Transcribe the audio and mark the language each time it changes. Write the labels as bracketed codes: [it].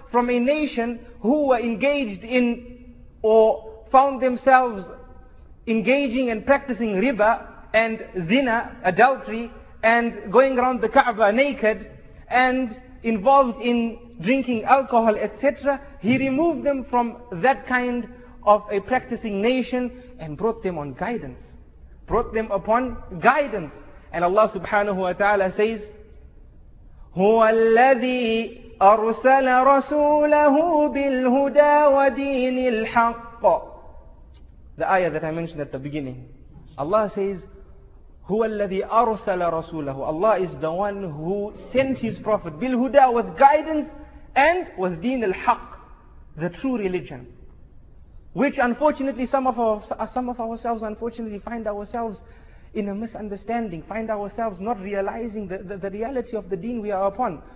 [en] from a nation who were engaged in or found themselves engaging and practicing riba and zina, adultery, and going around the Kaaba naked and involved in drinking alcohol, etc. He removed them from that kind of a practicing nation and brought them on guidance. Brought them upon guidance. And Allah subhanahu wa ta'ala says, [ar] هُوَ الَّذِي أَرْسَلَ رَسُولَهُ بِالْهُدَى وَدِينِ الْحَقِّ. [en] The ayah that I mentioned at the beginning. Allah says, [ar] هُوَ الَّذِي أَرْسَلَ رَسُولَهُ. [en] Allah is the one who sent His Prophet بِالْهُدَى, with guidance, and with [ar] دِينِ الْحَقِّ, [en] the true religion. Which unfortunately some of ourselves unfortunately find ourselves in a misunderstanding, find ourselves not realizing the reality of the deen we are upon.